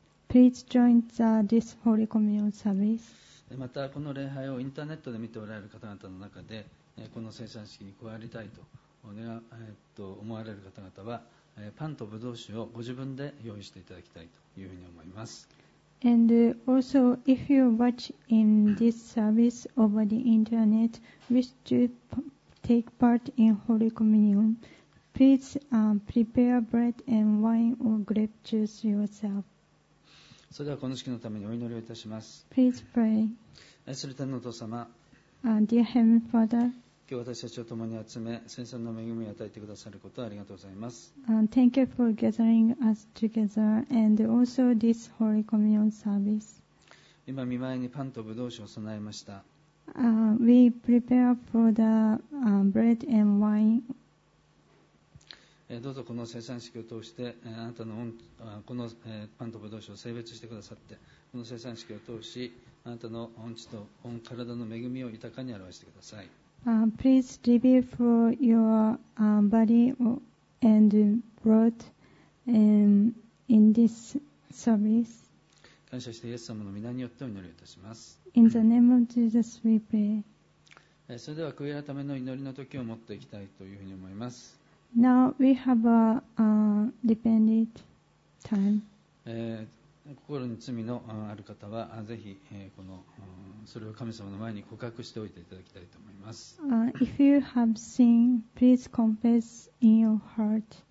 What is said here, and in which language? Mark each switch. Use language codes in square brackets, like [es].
[en] Please join this Holy Communion service. [ja] またこの礼拝をインターネットで見ておられる方々の中で、この聖餐式に加わりたいと思われる方々は、パンとブドウ酒をご自分で用意していただきたいというふうに思います。 [en] And also, if you watch in this service over the internet, wish to take part in Holy Communion, please prepare bread and wine or grape juice yourself. [ja] それではこの式のためにお祈りをいたします。 [en] Please pray. [ja] 愛する天のお父様、 [en] Dear Heavenly Father, [ja] 今日私たちを共に集め聖餐の恵みを与えてくださることをありがとうございます。 [en] Thank you for gathering us together and also this Holy Communion service. [ja] 今見前にパンとブドウ酒を備えました。 [en] We prepare for the bread and wine [ja] どうぞこの聖餐式を通してあなたのこのパンとブドウ酒を聖別してくださって、この聖餐式を通しあなたの御血と御体の恵みを豊かに表してください。 [en] Please reveal for your body and blood in this service. [ja] 感謝してイエス様の御名によってお祈りいたします。 [en] In the name of Jesus we pray. [ja] それでは悔い改めの祈りの時を持っていきたいというふうに思います。 [en] Now we have a repentant time. [ja] 心に罪のある方はぜひこのそれを神様の前に告白しておいていただきたいと思います。 [en] If you have sin, please confess in your heart.